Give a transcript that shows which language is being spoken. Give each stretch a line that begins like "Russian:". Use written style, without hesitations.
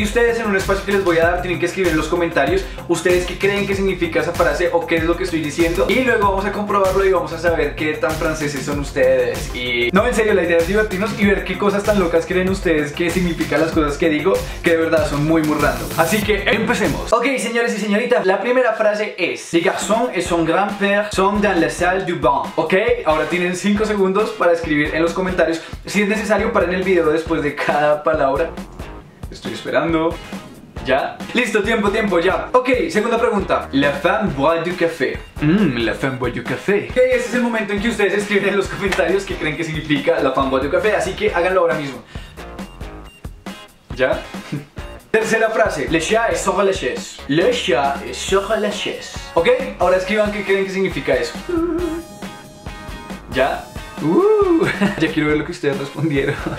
Spanish: Y ustedes en un espacio que les voy a dar tienen que escribir en los comentarios ustedes qué creen que significa esa frase o qué es lo que estoy diciendo. Y luego vamos a comprobarlo y vamos a saber qué tan franceses son ustedes. Y no, en serio, la idea es divertirnos y ver qué cosas tan locas creen ustedes que significan las cosas que digo, que de verdad son muy muy random. Así que empecemos. Ok, señores y señoritas, la primera frase es:
French: les garçons et son grand-père sont dans la salle du bain.
Spanish: Ok, ahora tienen 5 segundos para escribir en los comentarios. Si es necesario, paren el video después de cada palabra. Estoy esperando. ¿Ya? Listo, tiempo, ya. Ok, segunda pregunta.
French: La femme boit du café. La femme boit du café.
Spanish: Ok, este es el momento en que ustedes escriben en los comentarios qué creen que significa
French: la femme boit du café.
Spanish: Así que háganlo ahora mismo. ¿Ya? Tercera frase.
French: Le chat est sur la chaise. Le chat est sur la chaise.
Spanish: Ok, ahora escriban qué creen que significa eso. ¿Ya? Ya quiero ver lo que ustedes respondieron.